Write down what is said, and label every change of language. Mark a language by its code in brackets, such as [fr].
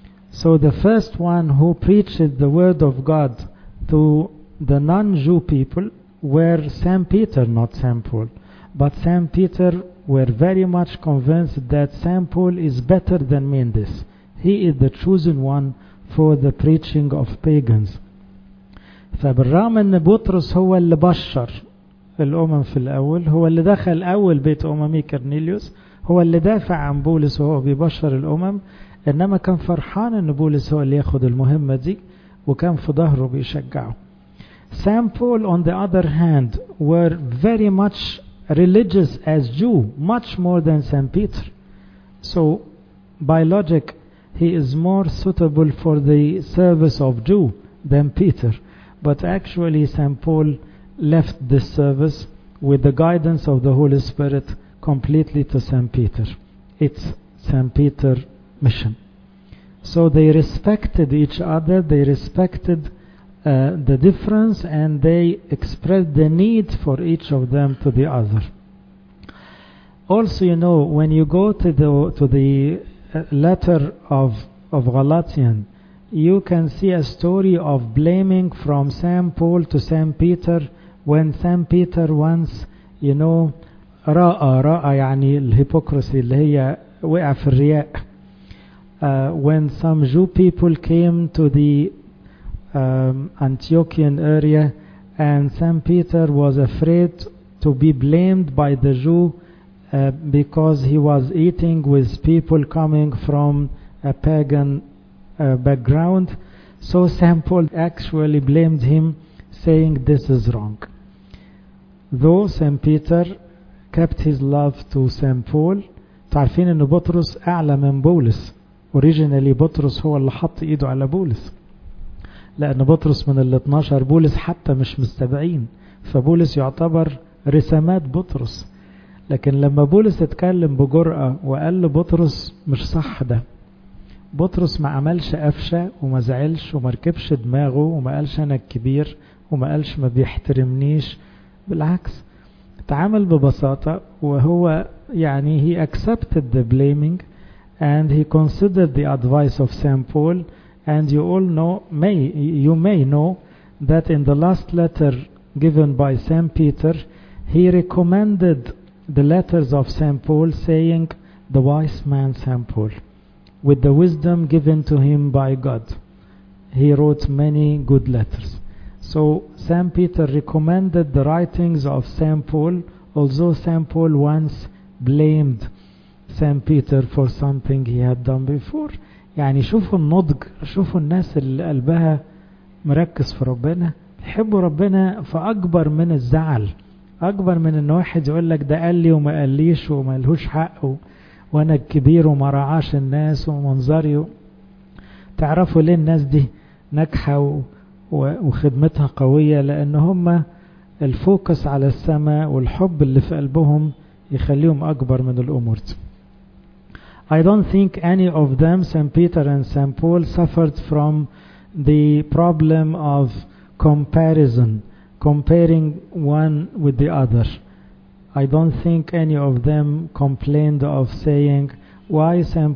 [en] So the first one who preached the word of God to the non-Jew people were Saint Peter, not Saint Paul. But Saint Peter were very much convinced that Saint Paul is better than me in this. He is the chosen one for the preaching of pagans. [ar] فبالرغم ان بطرس هو اللي بشر الأمم في الأول، هو اللي دخل أول بيت أممي كرنيليوس، هو اللي دافع عن بولس وهو بيبشر الأمم، إنما كان فرحان إن بولس هو اللي ياخد المهمة دي، وكان في ظهره بيشجعه. [en] Saint Paul on the other hand were very much religious as Jew, much more than Saint Peter. So by logic he is more suitable for the service of Jew than Peter. But actually Saint Paul left this service with the guidance of the Holy Spirit completely to Saint Peter. It's Saint Peter's mission. So they respected each other, they respected the difference, and they expressed the need for each of them to the other. Also, you know, when you go to the letter of Galatians, you can see a story of blaming from Saint Paul to Saint Peter. When Saint Peter once, you know, [ar] رأى يعني الهيبوكرسي اللي هي وقع في الرياء. [en] When some Jew people came to the Antiochian area, and Saint Peter was afraid to be blamed by the Jew because he was eating with people coming from a pagan background. So Saint Paul actually blamed him, saying this is wrong. Though Saint Peter kept his love to Saint Paul. [ar] تعرفين ان بطرس اعلى من بولس. Originally بطرس هو اللي حط ايده على بولس، لان بطرس من ال 12 بولس حتى مش مستبعين، فبولس يعتبر رسامات بطرس. لكن لما بولس اتكلم بجرأة وقال لبطرس مش صح ده، بطرس ما عملش قفشة وما زعلش وما ركبش دماغه وما قالش انا الكبير وما قالش ما بيحترمنيش، بالعكس تعامل ببساطة. وهو يعني [en] he accepted the blaming and he considered the advice of Saint Paul And you all know, you may know that in the last letter given by St. Peter, he recommended the letters of St. Paul, saying, the wise man St. Paul, with the wisdom given to him by God, he wrote many good letters. So St. Peter recommended the writings of St. Paul, although St. Paul once blamed St. Peter for something he had done before. [ar] يعني شوفوا النضج, شوفوا الناس اللي قلبها مركز في ربنا, بيحبوا ربنا فأكبر من الزعل, أكبر من أن واحد يقول لك ده قال لي وما قاليش وما لهوش حق وأنا الكبير وما رعاش الناس ومنظري. تعرفوا ليه الناس دي ناجحة وخدمتها قوية؟ لأن هم الفوكس على السماء والحب اللي في قلبهم يخليهم أكبر من الأمور دي. [en] I don't think any of them, St. Peter and St. Paul, suffered from the problem of comparison, comparing one with the other. I don't think any of them complained of saying, why St.